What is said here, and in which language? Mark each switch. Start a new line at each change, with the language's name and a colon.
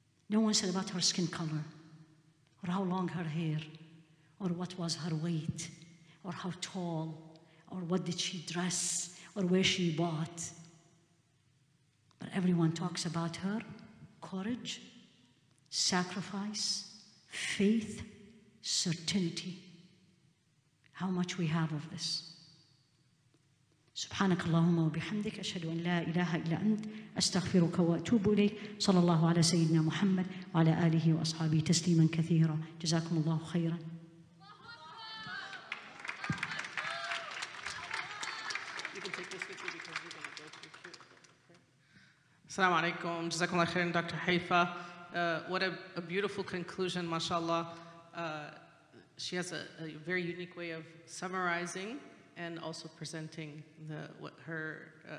English: No one said about her skin color, or how long her hair, or what was her weight, or how tall, or what did she dress, or where she bought. But everyone talks about her courage, sacrifice, faith, certainty. How much we have of this.
Arabic: سبحانك اللهم وبحمدك أشهد أن لا إله إلا أنت أستغفرك وأتوب إليك صلى الله على سيدنا محمد وعلى آله وأصحابه تسليما كثيرا جزاكم الله خيرا. السلام عليكم جزاكم الله خيرا دكتور حيفا.
English: What a beautiful conclusion, mashallah. She has a very unique way of summarizing and also presenting the what her